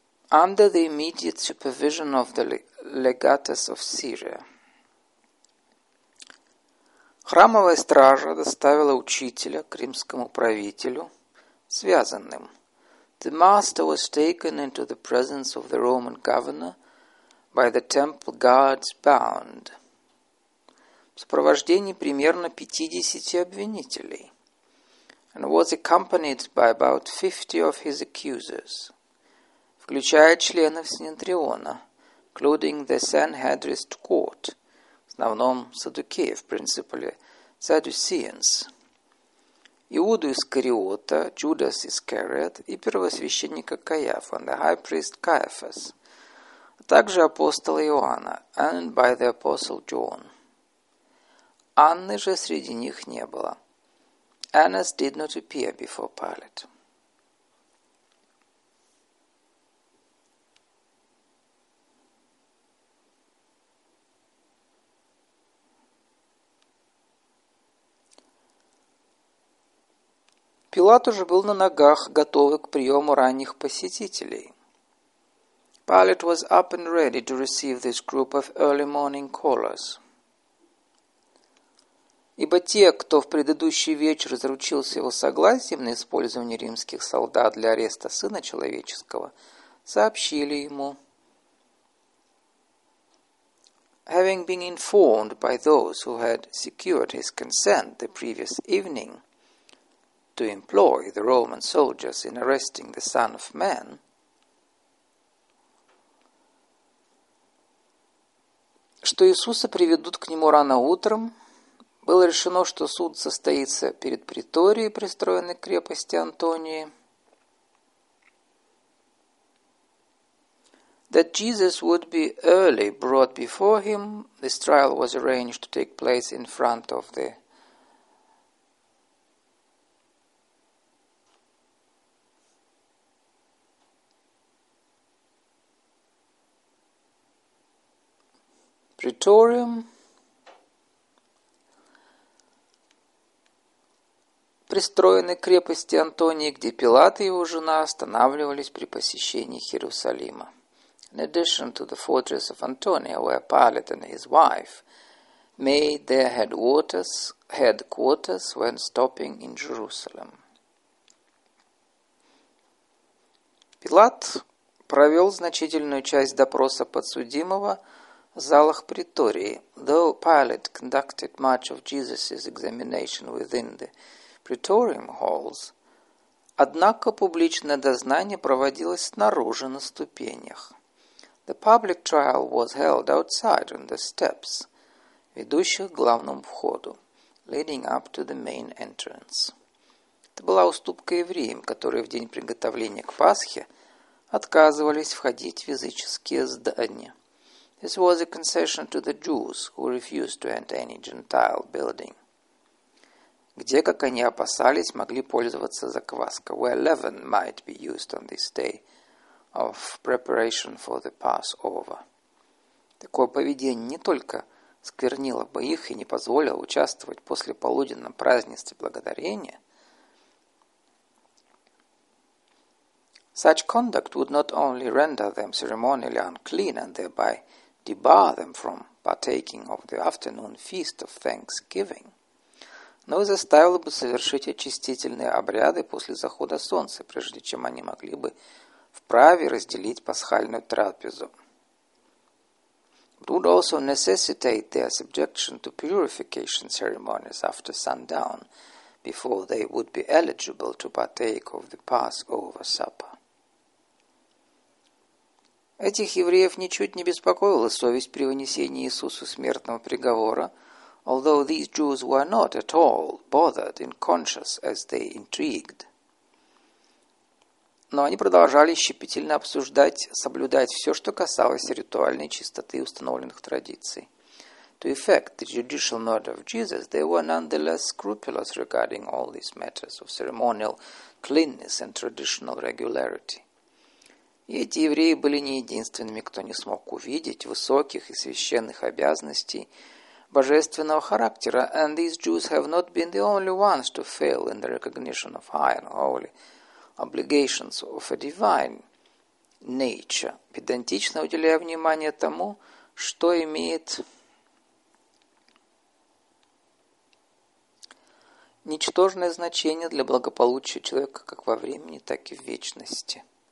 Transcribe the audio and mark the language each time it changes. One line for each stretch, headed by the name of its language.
English: Under the immediate supervision of the legatus of Syria.
Russian: Храмовая стража доставила учителя к римскому правителю связанным.
English: The master was taken into the presence of the Roman governor by the temple guards bound.
Russian: В сопровождении примерно 50 обвинителей.
English: And was accompanied by about 50 of his accusers,
Russian: включая членов Синедриона,
English: including the Sanhedrin court,
Russian: в основном Саддукеев, в принципе,
English: Sadduceans,
Russian: Иуду Искариота, Judas Iscariot, и первосвященника Каяфа,
English: and the high priest Caiaphas,
Russian: а также апостола Иоанна,
English: and by the apostle John.
Russian: Анны же среди них не было.
English: Annas did not appear before Pilate.
Russian: Пилат уже был на ногах, готовый к приему ранних посетителей.
English: Pilate was up and ready to receive this group of early morning callers.
Russian: Ибо те, кто в предыдущий вечер заручился его согласием на использование римских солдат для ареста Сына Человеческого, сообщили ему.
English: Having been informed by those who had secured his consent the previous evening to employ the Roman soldiers in arresting the Son of Man,
Russian: что Иисуса приведут к нему рано утром, было решено, что суд состоится перед преторией, пристроенной к крепости Антонии.
English: That Jesus would be early brought before him, this trial was arranged to take place in front of the Praetorium.
Russian: Пристроенной крепости Антонии, где Пилат и его жена останавливались при посещении Иерусалима.
English: In addition to the fortress of Antonia, where Pilate and his wife made their headquarters when stopping in Jerusalem.
Russian: Пилат провел значительную часть допроса подсудимого в залах притории.
English: Though Pilate conducted much of Jesus' examination within the Praetorium halls,
Russian: однако публичное дознание проводилось снаружи на ступенях.
English: The public trial was held outside on the steps,
Russian: ведущих к главному входу,
English: leading up to the main entrance.
Russian: Это была уступка евреям, которые в день приготовления к Пасхе отказывались входить в языческие здания.
English: This was a concession to the Jews who refused to enter any Gentile building,
Russian: где, как они опасались, могли пользоваться закваска,
English: where leaven might be used on this day of preparation for the Passover.
Russian: Такое поведение не только сквернило бы их и не позволило участвовать после полуденном празднестве благодарения.
English: Such conduct would not only render them ceremonially unclean and thereby debar them from partaking of the afternoon feast of thanksgiving,
Russian: но и заставило бы совершить очистительные обряды после захода солнца, прежде чем они могли бы вправе разделить пасхальную трапезу.
English: It would also necessitate their subjection to purification ceremonies after sundown, before they would be eligible to partake of the Passover supper.
Russian: Этих евреев ничуть не беспокоила совесть при вынесении Иисусу смертного приговора,
English: although these Jews were not at all bothered in conscience as they intrigued.
Russian: Но они продолжали щепетильно обсуждать, соблюдать все, что касалось ритуальной чистоты и установленных традиций.
English: To effect the judicial murder of Jesus, they were nonetheless scrupulous regarding all these matters of ceremonial cleanness and traditional regularity.
Russian: И эти евреи были не единственными, кто не смог увидеть высоких и священных обязанностей божественного характера.
English: And these Jews have not been the only ones to fail in the recognition of high and holy obligations of a divine nature,
Russian: педантично уделяя внимание тому, что имеет ничтожное значение для благополучия человека как во времени, так и в вечности.